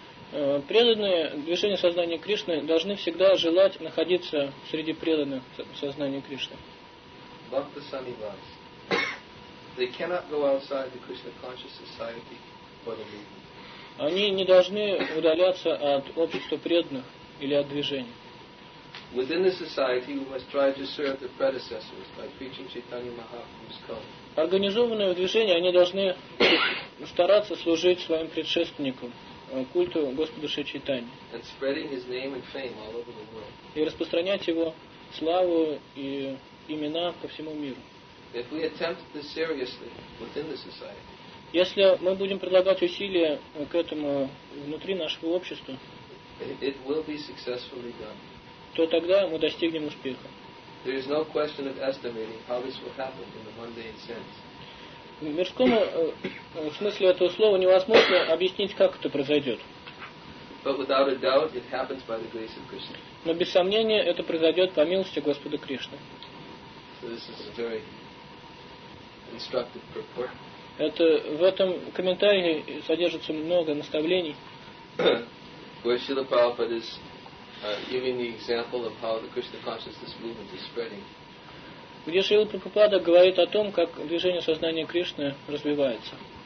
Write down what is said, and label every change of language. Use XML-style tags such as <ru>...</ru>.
<ru>Преданные движения сознания Кришны должны всегда желать находиться среди преданных сознания Кришны.</ru> <en>Bhakta Sanivas. They cannot go outside the Krishna conscious society for the movement.</en> <ru>Они не должны удаляться от общества преданных. Или от движения.</ru> <en>Within the society, we must try to serve the predecessors by preaching Chaitanya Mahaprabhu's cult.</en> <ru>Организованные в движении, они должны стараться служить своим предшественникам, культу Господа Шри Чайтаньи.</ru> <en>And spreading his name and fame all over the world.</en> <ru>И распространять его славу и имена по всему миру.</ru> <en>If we attempt this seriously within the society.</en> <ru>Если мы будем прилагать усилия к этому внутри нашего общества,</ru> <en>it will be successfully done.</en> <ru>То тогда мы достигнем успеха.</ru> <en>There is no question of estimating how this will happen in the mundane sense.</en> <ru>В мирском смысле этого слова невозможно объяснить, как это произойдет.</ru> <en>But without a doubt, it happens by the grace of Krishna.</en> <ru>Но без сомнения, это произойдет по милости Господа Кришны.</ru> <en>So this is a very instructive purport.</en> <ru>Это в этом комментарии содержится много наставлений.</ru> <en>Where Srila Prabhupada is giving the example of how the Krishna consciousness movement is spreading.</en> <ru>Где Шрила Прабхупада говорит о том, как движение сознания Кришны развивается.</ru>